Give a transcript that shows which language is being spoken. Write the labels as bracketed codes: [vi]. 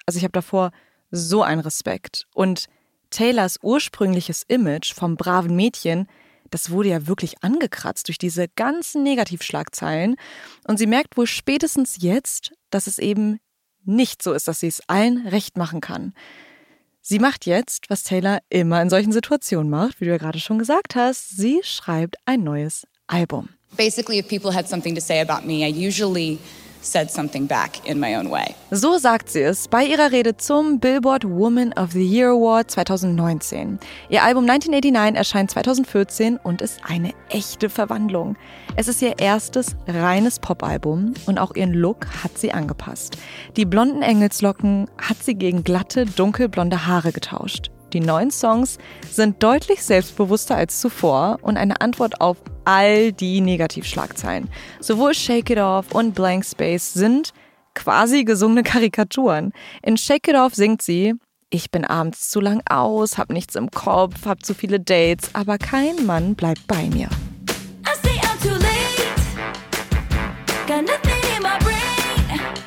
[de] Also ich habe davor so einen Respekt. Und Taylors ursprüngliches Image vom braven Mädchen, das wurde ja wirklich angekratzt durch diese ganzen Negativschlagzeilen. Und sie merkt wohl spätestens jetzt, dass es eben nicht so ist, dass sie es allen recht machen kann. Sie macht jetzt, was Taylor immer in solchen Situationen macht, wie du ja gerade schon gesagt hast, sie schreibt ein neues Album. [en] Basically, if people had something to say about me, I usually said something back in my own way. [de] So sagt sie es bei ihrer Rede zum Billboard Woman of the Year Award 2019. Ihr Album 1989 erscheint 2014 und ist eine echte Verwandlung. Es ist ihr erstes reines Popalbum und auch ihren Look hat sie angepasst. Die blonden Engelslocken hat sie gegen glatte, dunkelblonde Haare getauscht. Die neuen Songs sind deutlich selbstbewusster als zuvor und eine Antwort auf all die Negativschlagzeilen. Sowohl Shake It Off und Blank Space sind quasi gesungene Karikaturen. In Shake It Off singt sie, ich bin abends zu lang aus, hab nichts im Kopf, hab zu viele Dates, aber kein Mann bleibt bei mir. [en] I stay out too late, got nothing in my brain.